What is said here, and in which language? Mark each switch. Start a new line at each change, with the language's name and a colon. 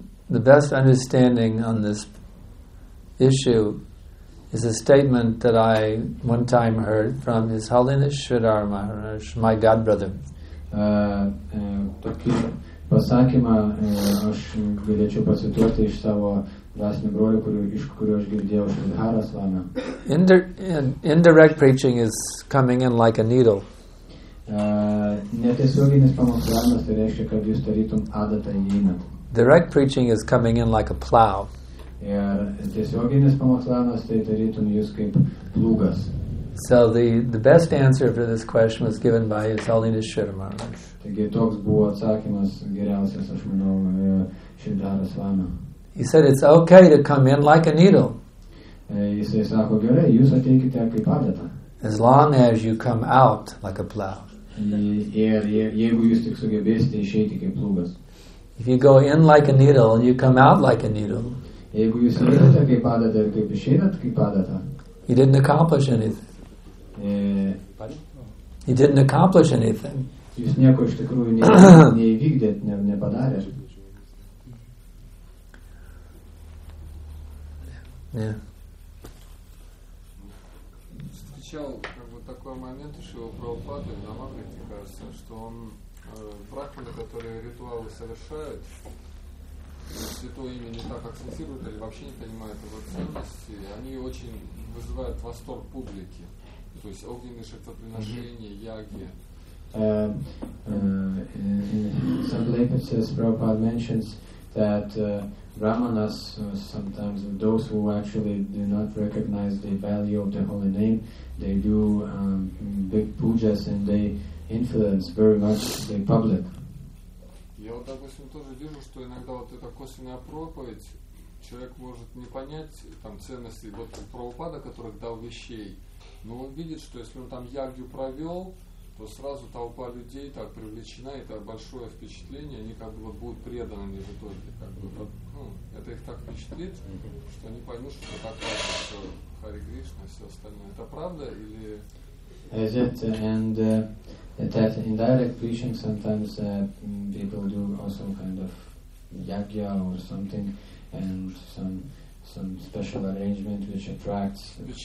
English: The best understanding on this issue is a statement that I one time heard from His Holiness Sridhar Maharaj, my godbrother.
Lithuanian: Tokį pasakymą aš galėčiau pacituoti iš savo dvasinio brolio, iš kurio aš girdėjau Sridhara Swami.
English: Indirect preaching is coming in like a needle.
Lithuanian: Netiesioginis pamokslavimas tai reiškia, kad jūs tarytum adata įeinat.
English: Direct preaching is coming in like a plow.
Lithuanian: Ir tiesioginis pamokslavimas tai tarytum jūs kaip plūgas.
English: So the best answer for this question was given by His Holiness Śrīla Mahārāja.
Lithuanian: Taigi toks buvo atsakymas geriausias, aš manau, Šrīdhara Svāmī.
English: He said it's okay to come in like a needle.
Lithuanian: Jisai sako, gerai, jūs ateikite kaip adata.
English: As long as you come out like a plow.
Lithuanian: Jeigu jūs tik sugebėsite išeiti kaip plūgas.
English: If you go in like a needle and you come out like a needle.
Lithuanian: Jeigu jūs įeinate kaip adata ir kaip išeinat kaip adata.
English: You didn't accomplish anything. You didn't accomplish anything.
Lithuanian: Jūs nieko iš tikrųjų neįvykdėt, nepadarėt.
Russian: Встречал как бы такой момент еще у Прабхупады в Дамагрите, кажется, что он практики, которые ритуалы совершают, святое имя не так акцентируют или вообще не понимают его ценности, они очень вызывают восторг публики. То есть огненные жертвоприношения, яги.
English: Some lepers, Prabhupada mentions that Brahmanas, sometimes those who actually do not recognize the value of the holy name, they do big pujas and they influence very much the public.
Russian: Я вот, допустим, тоже вижу, что иногда вот эта косвенная проповедь, человек может не понять там ценности вот Прабхупада, который дал вещей, но он видит, что если он там ягью провел, то сразу толпа людей так привлечена, и это большое впечатление, они как бы вот будут преданы не же только, как бы, это их так впечатлит, что они поймут, что это так важно, все Хари Кришна, все остальное. Это правда или...
English: Is it, and that in direct preaching sometimes people do also kind of yagya or something, and some special arrangement which attracts